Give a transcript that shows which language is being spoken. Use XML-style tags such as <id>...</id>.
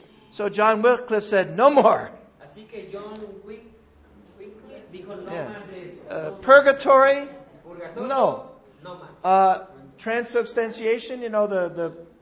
<en>So John Wycliffe said, no more.</en> <es>Así que John Wycliffe dijo, no más de eso.</es> <en>Purgatory?</en> <es>Purgatorio?</es> <en>No.</en> <es>No más.</es> <en>Transubstantiation, you know, the</en>